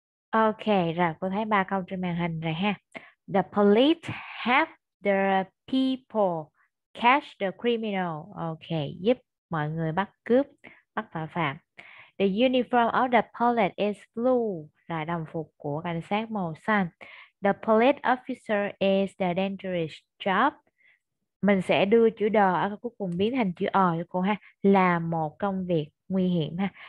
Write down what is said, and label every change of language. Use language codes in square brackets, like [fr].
[vi] Ok, rồi cô thấy ba câu trên màn hình rồi ha. [en] The police have the people catch the criminal. [vi] Ok, giúp mọi người bắt cướp, bắt tội phạm. [en] The uniform of the police is blue. [vi] Rồi đồng phục của cảnh sát màu xanh. [en] The police officer is the dangerous job. [vi] Mình sẽ đưa chữ đờ ở cuối cùng biến thành chữ ờ cho cô ha. Là một công việc nguy hiểm ha.